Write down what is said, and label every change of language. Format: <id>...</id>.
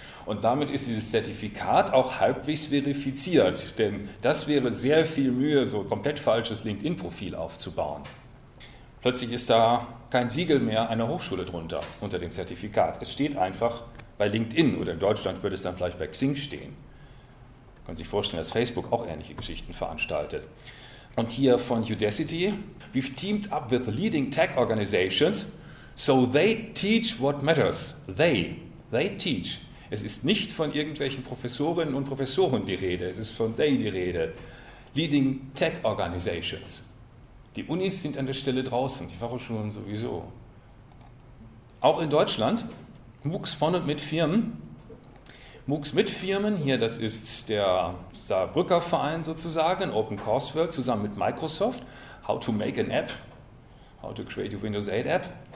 <de>Und damit ist dieses Zertifikat auch halbwegs verifiziert, denn das wäre sehr viel Mühe, so ein komplett falsches LinkedIn-Profil aufzubauen. Plötzlich ist da kein Siegel mehr einer Hochschule drunter, unter dem Zertifikat. Es steht einfach bei LinkedIn, oder in Deutschland würde es dann vielleicht bei Xing stehen. Man kann sich vorstellen, dass Facebook auch ähnliche Geschichten veranstaltet. Und hier von Udacity:</de> <en>We've teamed up with leading tech organizations, so they teach what matters. They teach.</en> <de>Es ist nicht von irgendwelchen Professorinnen und Professoren die Rede, es ist von they die Rede.</de> <en>Leading tech organizations.</en> <de>Die Unis sind an der Stelle draußen, die Fachhochschulen sowieso. Auch in Deutschland, MOOCs von und mit Firmen. MOOCs mit Firmen, hier das ist der Saarbrücker Verein sozusagen, Open Course World, zusammen mit Microsoft,</de> <en>How to make an app, how to create a Windows 8 app.</en>